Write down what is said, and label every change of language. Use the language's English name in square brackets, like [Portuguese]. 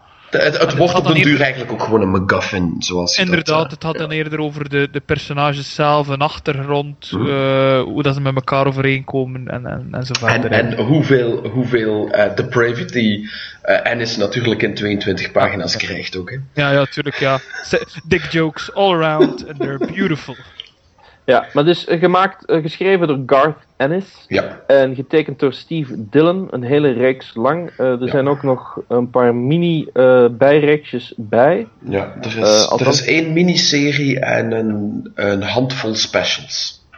[Dutch] Het wordt op een duur eigenlijk ook gewoon een MacGuffin, zoals je inderdaad, dat, het had dan eerder over de personages zelf, een achtergrond, hoe dat ze met elkaar overeenkomen en zo verder. En hoeveel depravity Ennis natuurlijk in 22 pagina's krijgt ook. Hè? Ja, natuurlijk, ja. [English] Dick jokes all around, and they're beautiful. [Dutch] Ja, maar dus geschreven door Garth Ennis. Ja. En getekend door Steve Dillon, een hele reeks lang. Er zijn ook nog een paar mini bijreeksjes bij. Ja, er is één miniserie en een handvol specials.